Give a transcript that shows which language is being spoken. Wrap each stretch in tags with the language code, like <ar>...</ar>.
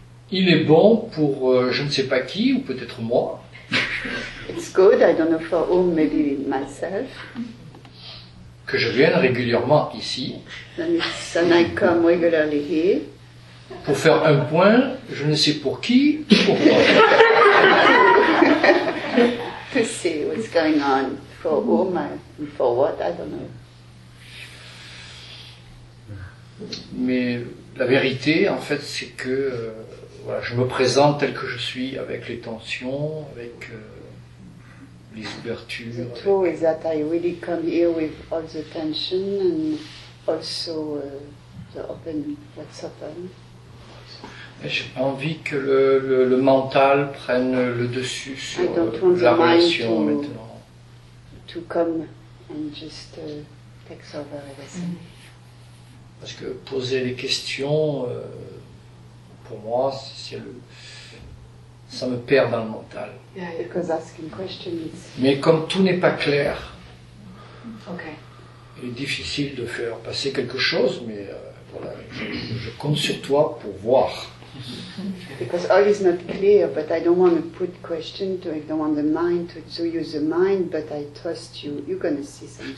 <fr>Il est bon pour je ne sais pas qui, ou peut-être moi.</fr> <en>It's good, I don't know for whom, maybe myself.</en> <fr>Que je vienne régulièrement ici.</fr> <en>Then I come regularly here.</en> <fr>Pour faire un point, je ne sais pour qui, pourquoi.</fr> <en>To see what's going on, for whom and for what, I don't know.</en> <fr>Mais la vérité, en fait, c'est que voilà, je me présente tel que je suis, avec les tensions, avec les ouvertures.</fr> <en>The truth is that I really come here with all the tension and also the open, what's open.</en> <fr>J'ai envie que le mental prenne le dessus sur la relation maintenant.</fr> <en>To come and just take over everything. Mm-hmm.</en> <fr>Parce que poser les questions, pour moi, c'est le, ça me perd dans le mental.</fr> <en>Yeah, because asking questions.</en> <fr>Mais comme tout n'est pas clair,</fr> <en>okay.</en> <fr>Il est difficile de faire passer quelque chose, mais voilà, je compte sur toi pour voir.</fr> <en>Because all is not clear, but I don't want to put questions to, I don't want the mind to use the mind, but I trust you, you're going to see something.</en>